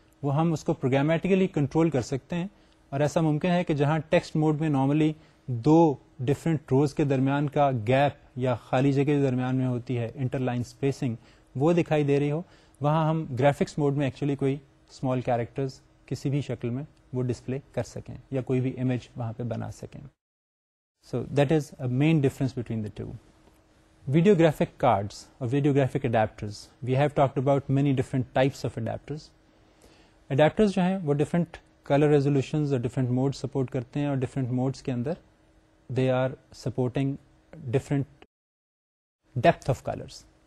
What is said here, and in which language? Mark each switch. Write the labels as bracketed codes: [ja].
[ur] وہ ہم اس کو پروگرامیٹیکلی کنٹرول کر سکتے ہیں, اور ایسا ممکن ہے کہ جہاں ٹیکسٹ موڈ میں نارملی دو ڈفرینٹ روز کے درمیان کا گیپ یا خالی جگہ کے درمیان میں ہوتی ہے, انٹر لائن اسپیسنگ وہ دکھائی دے رہی ہو, وہاں ہم گرافکس موڈ میں ایکچولی کوئی اسمال کیریکٹرز کسی بھی شکل میں وہ ڈسپلے کر سکیں یا کوئی بھی امیج وہاں پہ بنا سکیں. [en] So that is a main difference between the two. Video graphic cards اور video graphic adapters, we have talked about many different types of adapters. [ur] Adapters جو ہیں وہ ڈفرنٹ کلر ریزولوشنز اور ڈفرنٹ موڈز سپورٹ کرتے ہیں, اور different modes کے اندر [en] They are supporting different depth of colours.